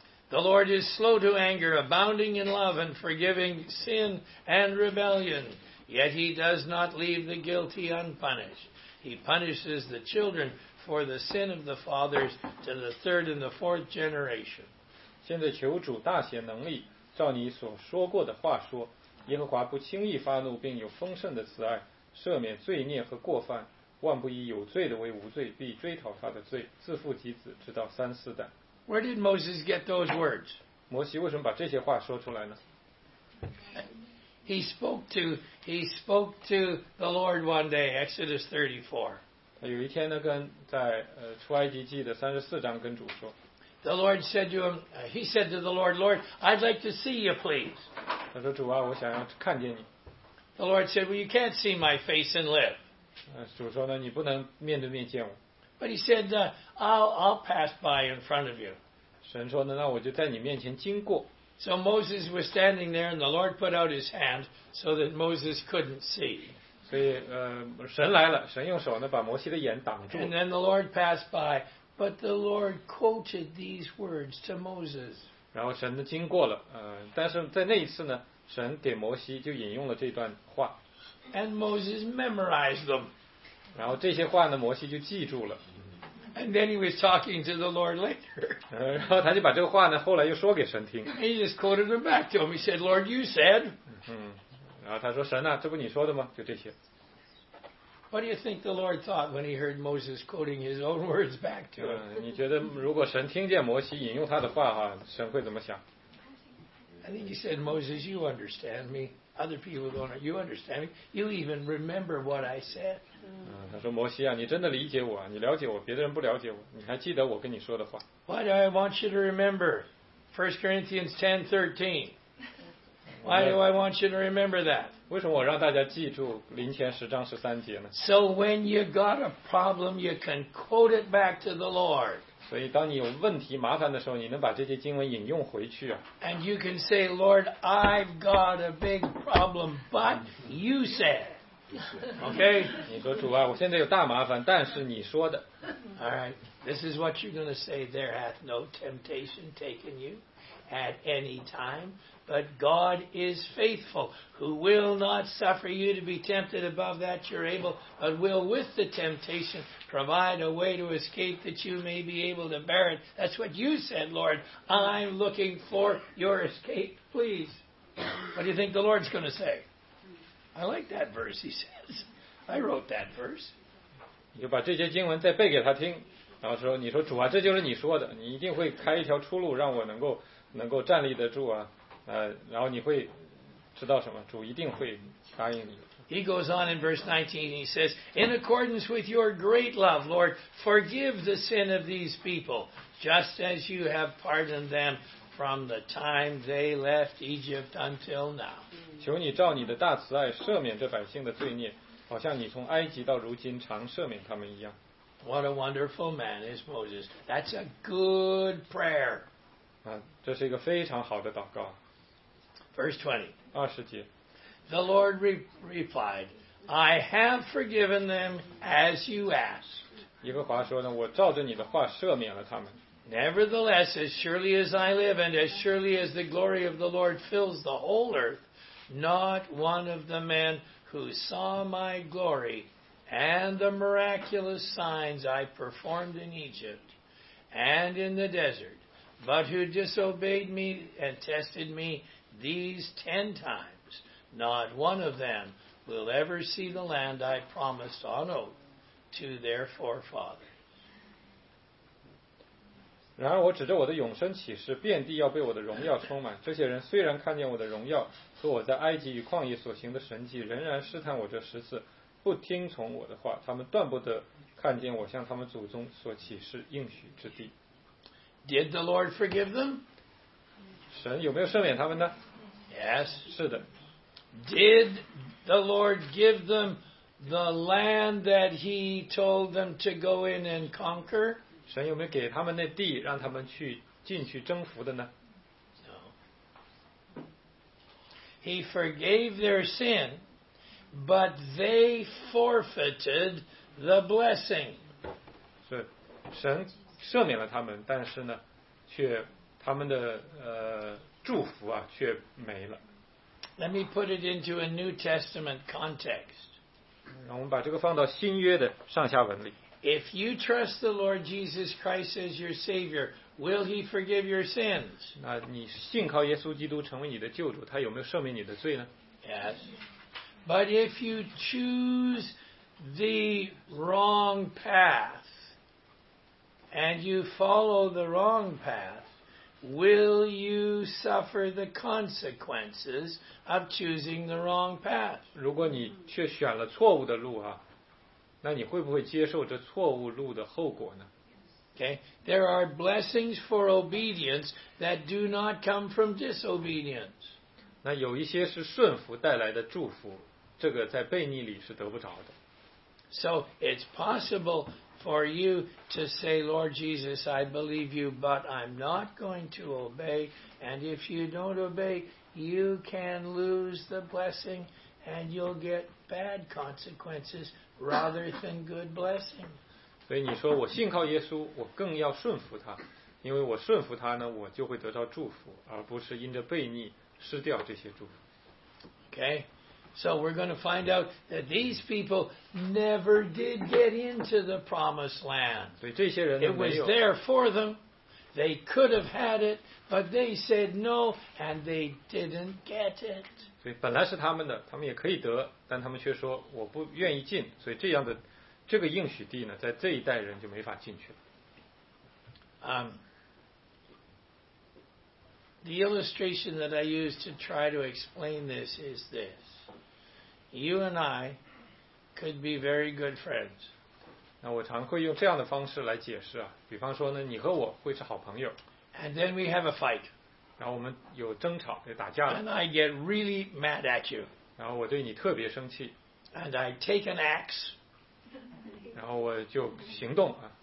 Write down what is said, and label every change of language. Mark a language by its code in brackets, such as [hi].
[en] The Lord is slow to anger, abounding in love and forgiving sin and rebellion. Yet he does not leave the guilty unpunished. He punishes the children for for the sin of the fathers to the third and the fourth generation. [zh] 现在求主大显能力，照你所说过的话说，耶和华不轻易发怒，并有丰盛的慈爱，赦免罪孽和过犯，万不以有罪的为无罪，必追讨他的罪，自父及子，直到三四代。 [en] Where did Moses get those words? [zh] 摩西为什么把这些话说出来呢？ [en] He spoke to the Lord one day, Exodus 34. [zh] 他有一天呢，跟在出埃及记的三十四章跟主说。 [en] The Lord said to him, he said to the Lord, Lord, I'd like to see you, please. [zh] 他说，主啊，我想要看见你。 [en] The Lord said, well, you can't see my face and live. [zh] 主说呢，你不能面对面见我。 [en] But he said, I'll pass by in front of you. [zh] 神说呢，那我就在你面前经过。 [en] So Moses was standing there and the Lord put out his hand so that Moses couldn't see. [zh] 所以神来了，神用手呢把摩西的眼挡住。 [en] And then the Lord passed by. But the Lord quoted these words to Moses. [zh] 然后神呢经过了，但是在那一次呢，神给摩西就引用了这段话。 [en] And Moses memorized them. [zh] 然后这些话呢，摩西就记住了。 [en] And then he was talking to the Lord later. [zh] 然后他就把这个话呢，后来又说给神听。 [en] He just quoted them back to him. He said, "Lord, you said." [zh] 然后他说，神啊，这不你说的吗？就这些。 [en] What do you think the Lord thought when he heard Moses quoting his own words back to him? [zh] 你觉得如果神听见摩西引用他的话哈，神会怎么想？ [en] I think he said, Moses, you understand me. Other people don't. You understand me. You even remember what I said. [zh] 他说摩西啊，你真的理解我，你了解我，别的人不了解我，你还记得我跟你说的话。 [en] Why do I want you to remember 1 Corinthians 10:13? Why do I want you to remember that? [zh] 为什么我让大家记住林前十章十三节呢？ [en] So when you got a problem, you can quote it back to the Lord. [zh] 所以当你有问题麻烦的时候，你能把这些经文引用回去啊。 [en] And you can say, Lord, I've got a big problem, but you said. Okay? [zh] 你说主啊，我现在有大麻烦，但是你说的。 [en] All right. This is what you're going to say. There hath no temptation taken you at any time. But God is faithful, who will not suffer you to be tempted above that you're able, but will with the temptation provide a way to escape that you may be able to bear it. That's what you said, Lord. I'm looking for your escape, please. What do you think the Lord's going to say? I like that verse, he says. I wrote that verse. [zh] 你就把这些经文再背给他听，然后说，你说主啊，这就是你说的，你一定会开一条出路，让我能够站立得住啊。然后你会知道什么？主一定会答应你。 [en] He goes on in verse 19. He says, "In accordance with your great love, Lord, forgive the sin of these people, just as you have pardoned them from the time they left Egypt until now." [zh] 求你照你的大慈爱赦免这百姓的罪孽，好像你从埃及到如今常赦免他们一样。 [en] What a wonderful man is Moses. That's a good prayer. [zh] 这是一个非常好的祷告。 [en] Verse 20. [zh] 二十节 [en] The Lord replied, I have forgiven them as you asked. [zh] 耶和华说呢，我照着你的话赦免了他们。 [en] Nevertheless, as surely as I live, and as surely as the glory of the Lord fills the whole earth, not one of the men who saw my glory and the miraculous signs I performed in Egypt and in the desert, but who disobeyed me and tested me, These 10 times, not one of them will ever see the land I promised on oath to their forefathers. [zh] 然而我指着我的永生起誓，遍地要被我的荣耀充满。这些人虽然看见我的荣耀和我在埃及与旷野所行的神迹，仍然试探我这十次，不听从我的话，他们断不得看见我向他们祖宗所起誓应许之地。 [en] Did the Lord forgive them? [zh] 神有没有赦免他们呢？ [en] Yes. [zh] 是的。 [en] Did the Lord give them the land that he told them to go in and conquer? [zh] 神有没有给他们那地让他们去进去征服的呢？ [en] No. He forgave their sin, but they forfeited the blessing. [zh] 是，神赦免了他们，但是呢，却他们的祝福啊却没了。 [en] Let me put it into a New Testament context. [zh] 让我们把这个放到新约的上下文里。 [en] If you trust the Lord Jesus Christ as your Savior, will He forgive your sins? [zh] 那你信靠耶稣基督成为你的救主，他有没有赦免你的罪呢？ [en] Yes. But if you choose the wrong path and you follow the wrong path,Will you suffer the consequences of choosing the wrong path? [zh] 如果你却选了错误的路啊，那你会不会接受这错误路的后果呢？ [en] Okay, there are blessings for obedience that do not come from disobedience. [zh] 那有一些是顺服带来的祝福，这个在悖逆里是得不着的。 [en] So it's possible. For you to say, Lord Jesus, I believe you, but I'm not going to obey. And if you don't obey, you can lose the blessing and you'll get bad consequences rather than good blessings. [zh] 所以你说我信靠耶稣，我更要顺服他，因为我顺服他呢，我就会得到祝福，而不是因着悖逆失掉这些祝福。 [en] Okay. So we're going to find out that these people never did get into the promised land. It was there for them. They could have had it, but they said no, and they didn't get it. [zh] 所以本来是他们的，他们也可以得，但他们却说我不愿意进。所以这样的这个应许地呢，在这一代人就没法进去了。 [en] The illustration that I use to try to explain this is this. You and I could be very good friends. [zh] 那我常会用这样的方式来解释啊，比方说呢，你和我会是好朋友。 [en] And then we have a fight. [zh] 然后我们有争吵，有打架了。 [en] And I get really mad at you. [zh] 然后我对你特别生气。 [en] And I take an axe. [zh] 然后我就行动啊。